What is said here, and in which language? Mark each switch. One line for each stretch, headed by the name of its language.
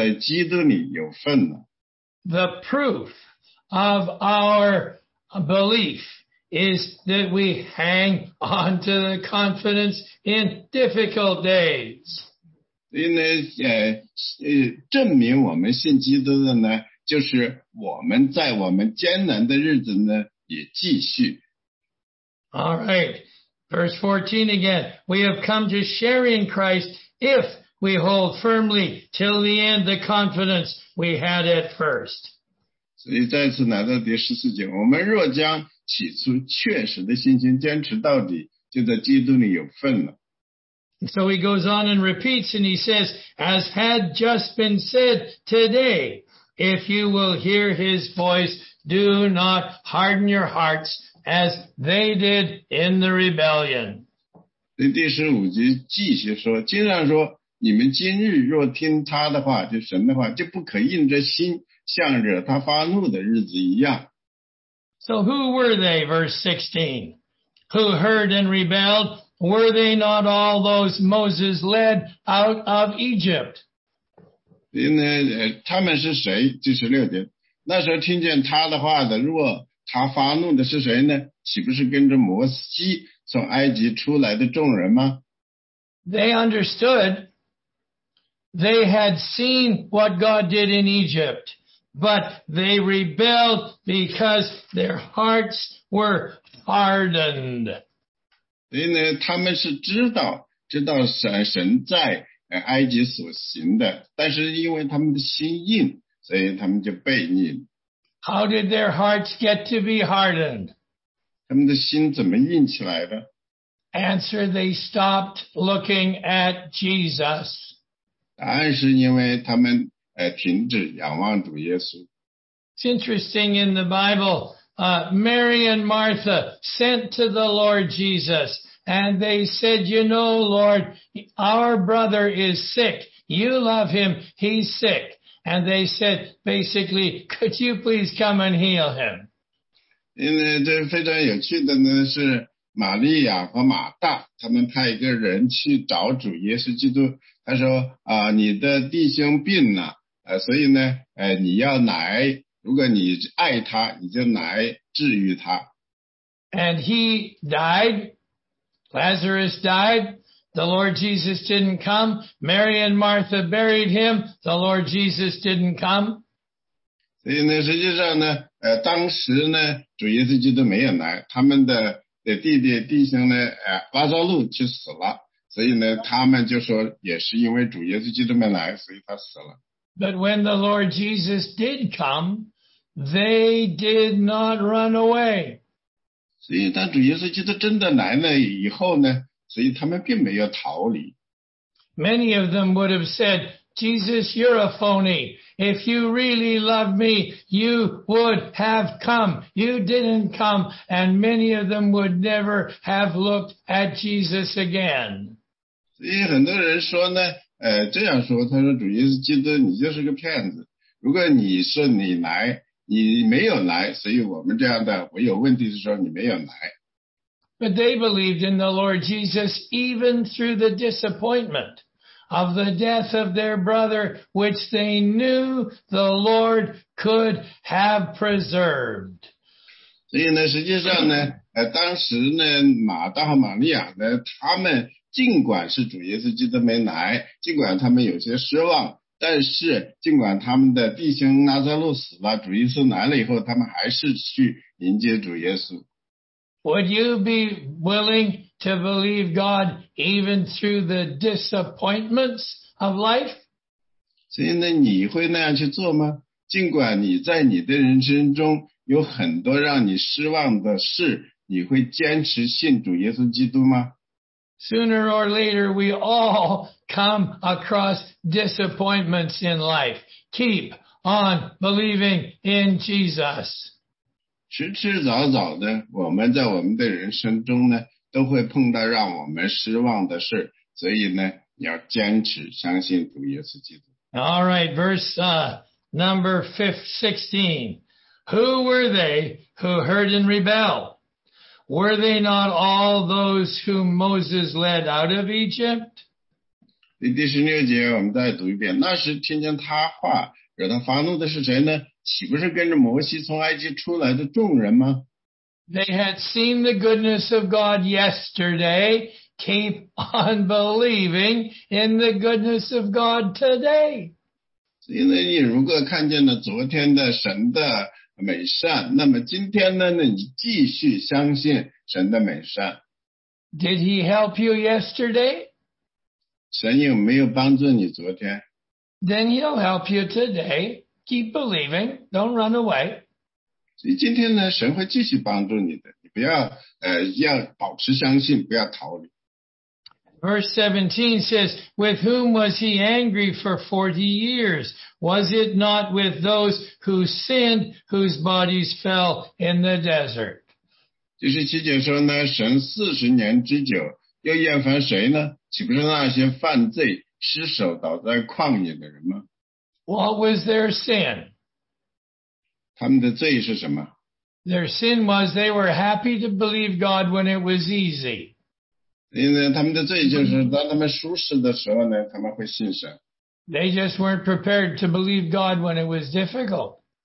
Chinese: 所以第十四节说，我们若将起初确实的信心坚持到底，就在基督里有份了。
English: The proof of our belief is that we hang on to the confidence in difficult days.
Chinese: 因为证明我们信基督的呢，就是我们在我们艰难的日子呢也继续。
English: All right, verse 14 again. We have come to share in Christ if we hold firmly till the end the confidence we had at first.
Chinese: 所以再次来到第十四节，我们若将 起初确实的信心坚持到底，就在基督里有份了。
English: So he goes on and repeats, and he says, as had just been said today, if you will hear his voice, do not harden your hearts as they did in the rebellion.
Chinese: 第十五节继续说，经上说，你们今日若听他的话，就神的话，就不可硬着心。像着他发怒的日子一样。
English: So who were they, verse 16? Who heard and rebelled? Were they not all those Moses led out of Egypt?
Chinese: 他们是谁？第十六节，那时候听见他的话的，若他发怒的是谁呢？岂不是跟着摩西从埃及出来的众人吗？
English: They understood. They had seen what God did in Egypt, but they rebelled because their hearts were hardened.
Chinese: 所以呢，他们是知道神在埃及所行的，但是因为他们的心硬，所以他们就悖逆。
English: How did their hearts get to be hardened?
Chinese: 他们的心怎么硬起来的？
English: Answer, they stopped looking at Jesus.
Chinese: 答案是因为他们停止仰望主耶稣。
English: It's interesting in the Bible, Mary and Martha sent to the Lord Jesus, and they said, you know, Lord, our brother is sick. You love him, he's sick. And they said, basically, could you please come and heal him?
Chinese: 因为这非常有趣的呢，是玛利亚和马大，他们派一个人去找主耶稣基督。他说，你的弟兄病了，所以呢，你要来，如果你爱他，你就来治愈他。
English: And he died. Lazarus died. The Lord Jesus didn't come. Mary and Martha buried him. The Lord Jesus didn't come.
Chinese: 所以呢，实际上呢，当时呢，主耶稣基督没有来，他们的弟弟弟兄呢，拉撒路去死了。所以呢，他们就说，也是因为主耶稣基督没来，所以他死了。
English: But when the Lord Jesus did come, they did not run away.
Chinese: 所以当主耶稣基督真的来了以后呢？所以他们并没有逃离。
English: Many of them would have said, Jesus, you're a phony. If you really love me, you would have come. You didn't come. And many of them would never have looked at Jesus again.
Chinese: 所以很多人说呢，这样说，他说主耶稣基督，你就是个骗子。如果你是你来，你没有来，所以我们这样的，我有问题是说你没有来。
English: But they believed in the Lord Jesus even through the disappointment of the death of their brother, which they knew the Lord could have preserved.
Chinese: 所以呢，实际上呢，当时呢，马大和玛利亚呢，他们尽管是主耶稣基督没来，尽管他们有些失望，但是尽管他们的弟兄拉撒路死了，主耶稣来了以后，他们还是去迎接主耶稣。
English: Would you be willing to believe God even through the disappointments of life?
Chinese: 所以呢，你会那样去做吗？尽管你在你的人生中有很多让你失望的事，你会坚持信主耶稣基督吗？
English: Sooner or later, we all come across disappointments in life. Keep on believing in Jesus.
Chinese: 迟迟早早的，我们在我们的人生中呢，都会碰到让我们失望的事，所以呢，你要坚持相信主耶稣基督。
English: All right, verse number 16. Who were they who heard and rebelled? Were they not all those whom Moses led out of Egypt?
Chinese: 第十六节，我们再读一遍。那时听见他话，惹他发怒的是谁呢？岂不是跟着摩西从埃及出来的众人吗？
English: They had seen the goodness of God yesterday. Keep on believing in the goodness of God today.
Chinese: 所以呢，你如果看见了昨天的神的美善，那么今天呢，你继续相信神的美善。
English: Did he help you yesterday?
Chinese: 神有没有帮助你昨天？
English: Then he'll help you today. Keep believing, don't run away.
Chinese: 所以今天呢，神会继续帮助你的，你不要要保持相信，不要逃离。
English: Verse 17 says, With whom was he angry for 40 years? Was it not with those who sinned, whose bodies fell in the desert?
Chinese: 第十七节说呢，神四十年之久，又厌烦谁呢？岂不是那些犯罪、失手倒在旷野的人吗？
English: What was their sin? Their sin was they were happy to believe God when it was easy. They just weren't prepared to believe God when it was difficult.